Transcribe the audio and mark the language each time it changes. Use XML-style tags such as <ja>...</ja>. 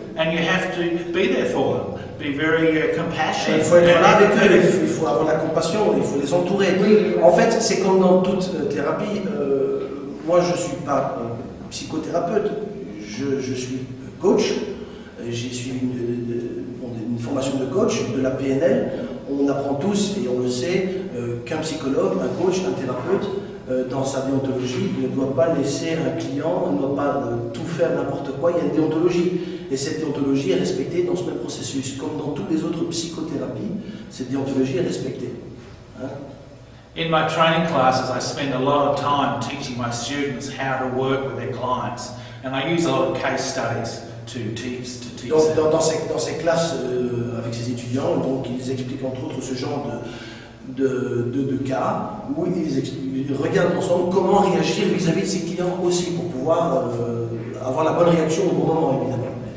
<en>And you have to be there for them. Be very compassionate.</en> <fr>Il faut être là avec eux, il faut avoir la compassion, il faut les entourer. Oui. En fait, c'est comme dans toute thérapie. Moi, je ne suis pas psychothérapeute, je suis coach. J'ai suivi une formation de coach, de la PNL. On apprend tous, et on le sait, qu'un psychologue, un coach, un thérapeute, dans sa déontologie, ne doit pas laisser un client, ne doit pas tout faire n'importe quoi. Il y a une déontologie. Et cette déontologie est respectée dans ce même processus. Comme dans toutes les autres psychothérapies, cette déontologie est respectée. Hein?</fr> <en>In my training classes, I spend a lot of time teaching my students how to work with their clients. And I use a lot of case studies to teach them.</en> <fr>Dans ces classes avec ces étudiants, donc, ils expliquent entre autres ce genre de cas où ils regardent ensemble comment réagir vis-à-vis de ses clients aussi pour pouvoir avoir la bonne réaction au bon moment, évidemment.</fr>